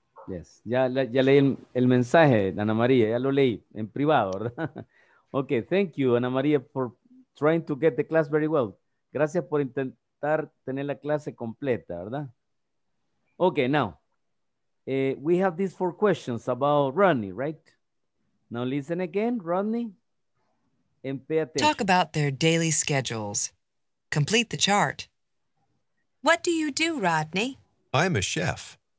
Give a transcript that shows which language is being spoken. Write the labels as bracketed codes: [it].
[es] Yes, ya leí el mensaje, Ana María, ya lo leí en privado, ¿verdad? [en] Okay, thank you, Ana María, for trying to get the class very well. [es] Gracias por intentar tener la clase completa, ¿verdad? [en] Okay, now, we have these four questions about Rodney, right? Now listen again, Rodney, and pay attention. Talk about their daily schedules. Complete the chart. What do you do, Rodney? I'm a chef.